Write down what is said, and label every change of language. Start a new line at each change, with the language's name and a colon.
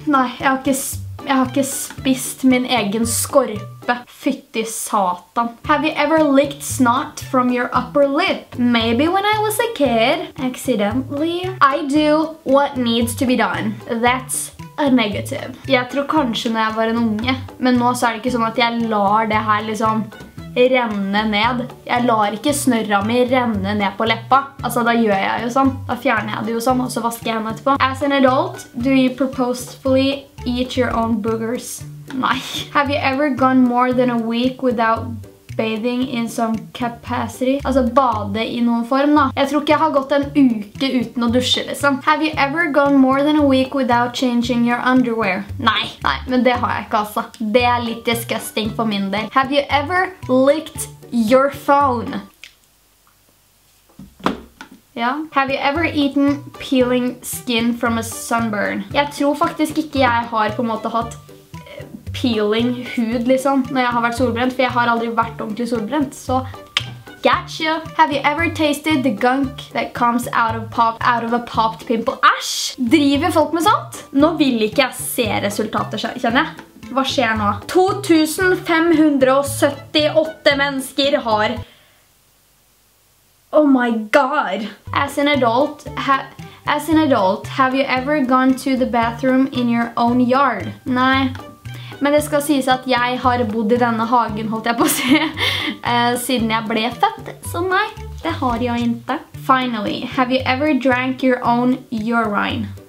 Norwegian: Nei, jeg har ikke spist min egen skorpe. Fytti satan.
English: Have you ever licked snot from your upper lip? Maybe when I was a kid. Accidentally. I do what needs to be done. That's a negative.
Norwegian: Jeg tror kanskje når jeg var en unge. Men nå så er det ikke sånn at jeg lar det her liksom... renne ned. Jeg lar ikke snørra mi renne ned på leppa. Altså, da gjør jeg jo sånn. Da fjerner jeg det jo sånn, og så vasker jeg henne etterpå.
English: As an adult, do you purposefully eat your own boogers? Nei. Have you ever gone more than a week without bathing in some capacity?
Norwegian: Altså, bade i noen form, da. Jeg tror ikke jeg har gått en uke uten å dusje, liksom.
English: Have you ever gone more than a week without changing your underwear?
Norwegian: Nei. Nei, men det har jeg ikke, altså. Det er litt disgusting for min del.
English: Have you ever licked your phone?
Norwegian: Ja.
English: Have you ever eaten peeling skin from a sunburn?
Norwegian: Jeg tror faktisk ikke jeg har på en måte hatt... peeling hud, liksom, når jeg har vært solbrent, for jeg har aldri vært ordentlig solbrent, så
English: Gotcha. Have you ever tasted the gunk that comes out of a popped pimple?
Norwegian: Æsj! Driver folk med sånt? Nå vil ikke jeg se resultater, kjenner jeg. Hva skjer nå? 2578 mennesker har...
English: Oh my god! As an adult, have you ever gone to the bathroom in your own yard?
Norwegian: Nei. Men det skal sies at jeg har bodd i denne hagen, holdt jeg på å si, siden jeg ble født. Så nei, det har jeg ikke.
English: Finally, have you ever drank your own urine?